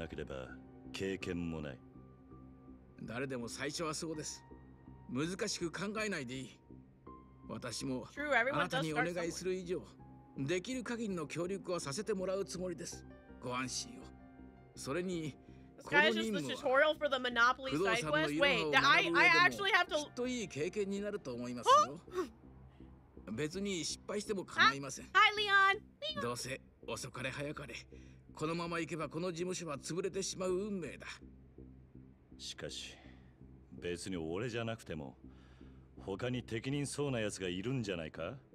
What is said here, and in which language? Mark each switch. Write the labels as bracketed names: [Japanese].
[Japanese] 俺には経営能力もなければ経験もない。誰でも最初はそうです。難しく考えないでいい。私も [English] True, everyone does start somewhere. [Japanese] あなたにお願いする以上 できる限りの協力をさせてもらうつもりです。ご安心を。それに [English] This guy is just the tutorial for the Monopoly side quest? Wait, I actually have to [Japanese] きっといい経験になると思いますよ。別に失敗しても構いません。 [English] Hi, Leon! [Japanese] どうせ遅かれ早かれ このまま行けばこの事務所は潰れてしまう運命だ。しかし、別に俺じゃなくても 他に適任そうな奴がいるんじゃないか？